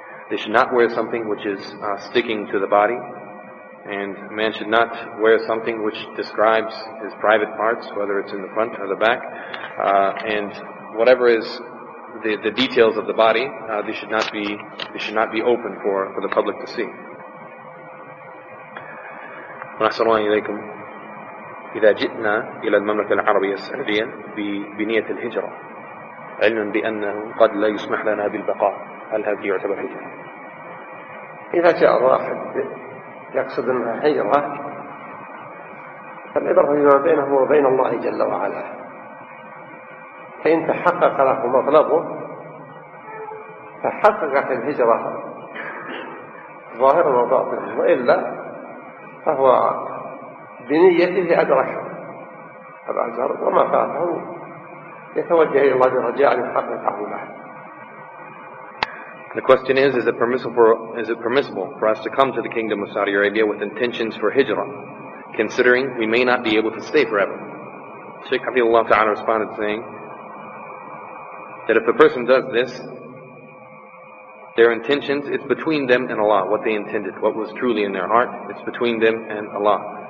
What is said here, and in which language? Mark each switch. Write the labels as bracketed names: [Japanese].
[English] They should not wear something which is sticking to the body, and a man should not wear something which describes his private parts, whether it's in the front or the back, and whatever is the details of the body, they should not be open for the public to see. [Arabic] نسأل الله إليكم إذا جئنا إلى المملكة العربية السعودية بنية الهجرة علما بأنه قد لا يسمح لنا بالبقاء، هل هذه يعتبر هجرة؟ إذا جاء الواحد يقصد أنها هجرة فالعبرة بما بينه وبين الله جل وعلا، فإن تحقق له مطلبه فحققت الهجرة ظاهرا وباطنا، وإلا فهو بنيته أدرك الأجر وما فاته يتوجه إلى الله رجاء يحقق له. [English] The question is it permissible for us to come to the kingdom of Saudi Arabia with intentions for hijrah, considering we may not be able to stay forever? Shaykh Hafidhullah Ta'ala responded saying that if a person does this, their intentions, it's between them and Allah, what they intended, what was truly in their heart, it's between them and Allah.